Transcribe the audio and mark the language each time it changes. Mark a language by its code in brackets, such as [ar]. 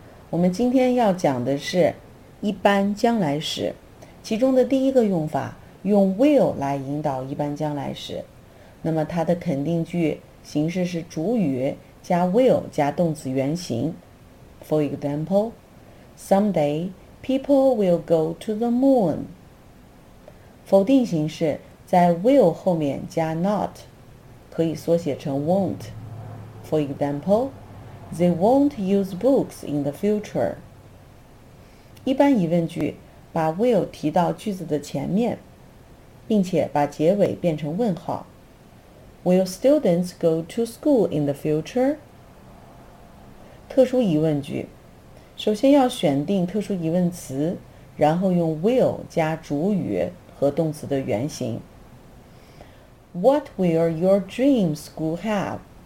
[zh] 我们今天要讲的是一般将来时，其中的第一个用法用 will 来引导一般将来时。那么它的肯定句形式是主语加 will 加动词原形。 [en] For example, someday people will go to the moon. [zh] 否定形式在 will 后面加 not， 可以缩写成 won't。 [en] For example, they won't use books in the future. [zh] 一般疑问句把 will 提到句子的前面，并且把结尾变成问号。 [en] Will students go to school in the future? [zh] 特殊疑问句，首先要选定特殊疑问词，然后用 will 加主语和动词的原形。 [en] What will your dream school have?